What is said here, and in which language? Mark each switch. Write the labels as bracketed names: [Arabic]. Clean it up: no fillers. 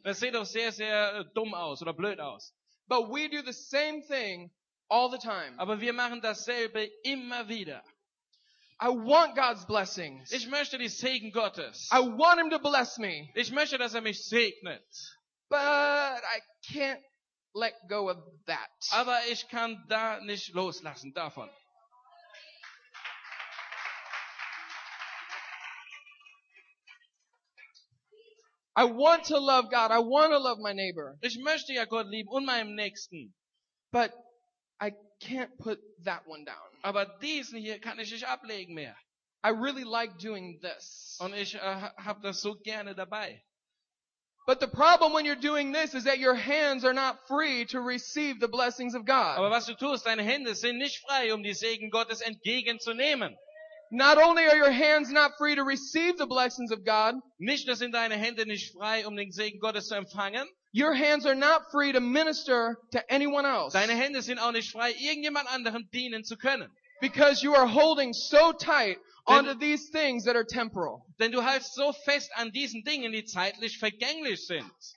[German] Das sieht doch sehr, sehr dumm aus oder blöd aus. [English] But we do the same thing all the time. [German] Aber wir machen dasselbe immer wieder. [English] I want God's blessings. [German] Ich möchte die Segen Gottes. [English] I want him to bless me. [German] Ich möchte, dass mich segnet. [English] But I can't let go of that. [German] Aber ich kann da nicht loslassen davon. [English] I want to love God. I want to love my neighbor. [German] Ich möchte ja Gott lieben und meinem Nächsten. [English] But I can't put that one down. [German] Aber diesen hier kann ich nicht ablegen mehr. [English] I really like doing this. [German] Und ich hab das so gerne dabei. [English] But the problem when you're doing this is that your hands are not free to receive the blessings of God. [German] Aber was du tust, deine Hände sind nicht frei, die Segen Gottes entgegenzunehmen. [English] Not only are your hands not free to receive the blessings of God, [German] nicht nur sind deine Hände nicht frei, den Segen Gottes zu empfangen. [English] Your hands are not free to minister to anyone else. [German] Deine Hände sind auch nicht frei, irgendjemand anderem dienen zu können. [English] Because you are holding so tight onto these things that are temporal. [German] Denn du hältst so fest an diesen Dingen, die zeitlich vergänglich sind.